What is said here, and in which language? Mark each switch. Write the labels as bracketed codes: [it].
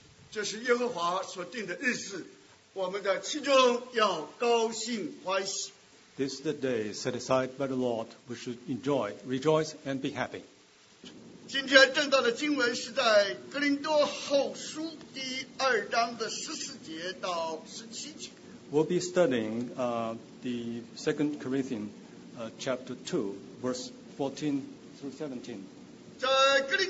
[zh] 这是耶和华所定的日子，我们的心中要高兴欢喜。 [en] This is the day set aside by the Lord. We should enjoy, rejoice, and be happy. [zh] 今天正道的经文是在哥林多后书第二章的14节到17节。 [en] We'll be studying the 2 Corinthians chapter 2, verse 14 through 17.